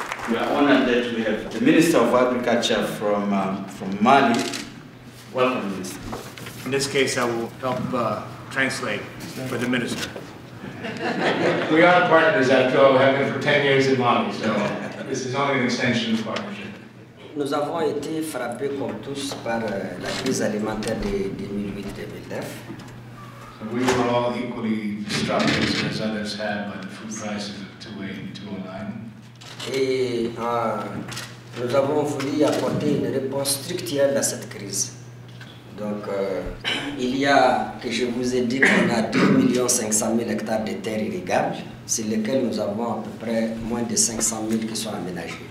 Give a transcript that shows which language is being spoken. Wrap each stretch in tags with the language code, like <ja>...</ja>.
<en>We are honored that we have the Minister of Agriculture from Mali. Welcome, Minister. In this case, I will help translate for the Minister. We are partners after all, we have been for 10 years in Mali, so this is only an extension of partnership.</en> <fr>Nous avons été frappés comme tous par la crise alimentaire de 2008-2009.</fr> <en>So we were all equally struck as others have by the food prices of 2008 and 2009.</en> <fr>Et nous avons voulu apporter une réponse structurelle à cette crise. Donc, il y a, que je vous ai dit, qu'on a 2 500 000 hectares de terres irrigables, sur lesquels nous avons à peu près moins de 500 000 qui sont aménagés.</fr>